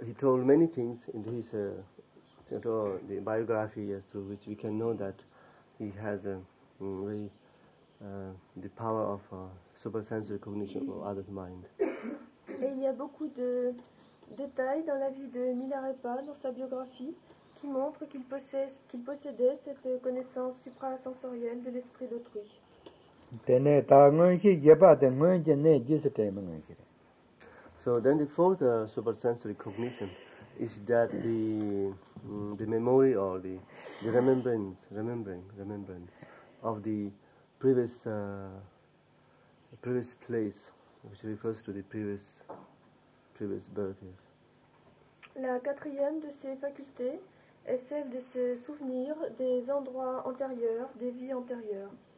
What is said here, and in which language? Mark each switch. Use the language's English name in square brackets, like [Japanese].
[English] he told many things in his the biography as to which we can know that he has a very the power of supersensory cognition of others' mind. [French] Et il y a beaucoup de détails dans la vie de Milarepa, dans sa biographie, qui montrent qu'il possédait cette connaissance suprasensorielle de l'esprit d'autrui. [English] So then the fourth supersensory cognition is that the memory or the remembrance of the previous place, which refers to the previous birthdays. [French] La quatrième de ces facultés est celle de se souvenir des endroits antérieurs, des vies antérieures.